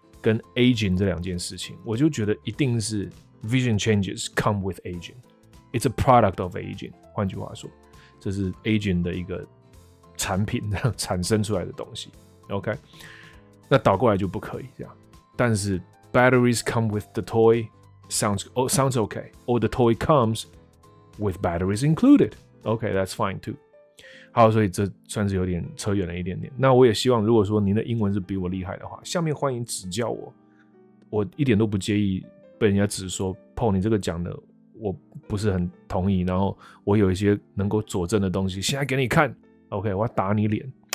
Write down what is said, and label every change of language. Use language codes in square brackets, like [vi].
[zh] 跟 aging 这两件事情，我就觉得一定是 [en] vision changes come with aging， it's a product of aging， [zh] 换句话说，这是 aging 的一个产品产生出来的东西。 OK， 那倒过来就不可以这样。 [en] 但是 batteries come with the toy sounds OK， or the toy comes with batteries included， OK， that's fine too。 [zh] 好，所以这算是有点扯远了一点点。那我也希望，如果说您的英文是比我厉害的话，下面欢迎指教我。我一点都不介意被人家指说 Paul， 你这个讲的我不是很同意，然后我有一些能够佐证的东西现在给你看， OK， 我要打你脸。